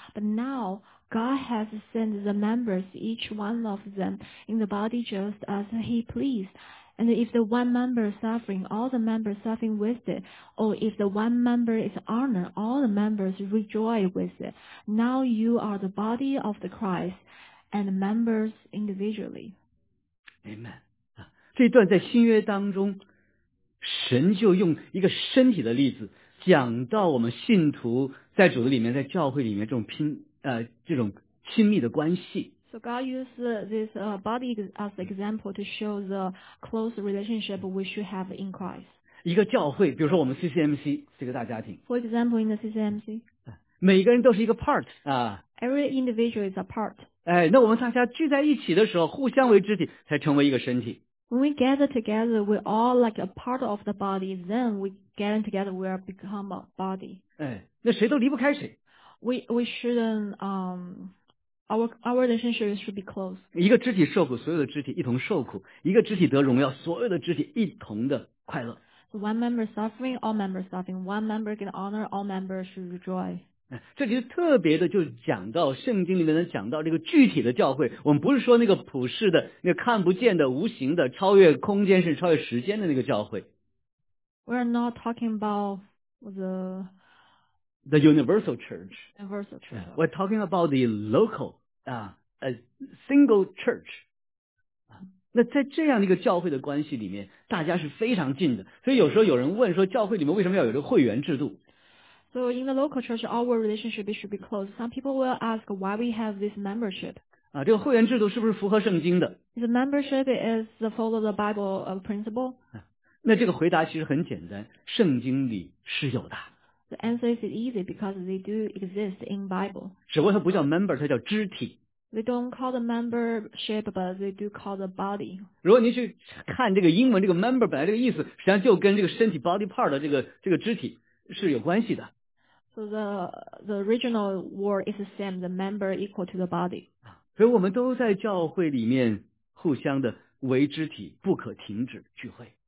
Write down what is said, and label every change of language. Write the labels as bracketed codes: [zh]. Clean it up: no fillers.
[en] But now, God has sent the members, each one of them, in the body just as he pleased. And if the one member is suffering, all the members suffering with it. Or if the one member is honored, all the members rejoice with it. Now you are the body of the Christ, and members individually. Amen. [zh] 这段在新约当中，神就用一个身体的例子讲到我们信徒在主的里面，在教会里面这种亲密的关系。 [en] So God used this body as example to show the close relationship we should have in Christ. [zh] 一个教会，比如说我们 CCMC 这个大家庭。 [en] For example, in the CCMC. [zh] 每个人都是一个 part 啊。 [en] Every individual is a part. [zh] 哎，那我们大家聚在一起的时候，互相为肢体，才成为一个身体。 [en] When we gather together, we're all like a part of the body. Then we gather together, we are become a body. [zh] 哎，那谁都离不开谁。 [en] We shouldn't, our relationship should be close. [zh] 一个肢体受苦，所有的肢体一同受苦；一个肢体得荣耀，所有的肢体一同的快乐。 [en] So one member suffering, all members suffering. One member get honor, all members should rejoice. [zh] 这里特别的就讲到圣经里面的讲到这个具体的教会，我们不是说那个普世的那个看不见的无形的超越空间甚至超越时间的那个教会。 [en] We're not talking about the universal church. Universal church. We're talking about the local, a single church. [zh] 那在这样的一个教会的关系里面，大家是非常近的。所以有时候有人问说，教会里面为什么要有这个会员制度？ [en] So in the local church, our relationship should be close. Some people will ask why we have this membership. [zh] 啊，这个会员制度是不是符合圣经的 [en] ？The membership is the follow the Bible principle. [zh] 那这个回答其实很简单，圣经里是有的。 [en] The answer is easy because they do exist in Bible. [zh] 只不过它不叫 member， 它叫肢体。 [en] They don't call the membership, but they do call the body. [zh] 如果你去看这个英文，这个 member 本来这个意思，实际上就跟这个身体 body part 的这个肢体。是有关系的。 [en] So the original word is the same, the member equal to the body. [zh] 所以我们都在教会里面互相的为肢体，不可停止聚会。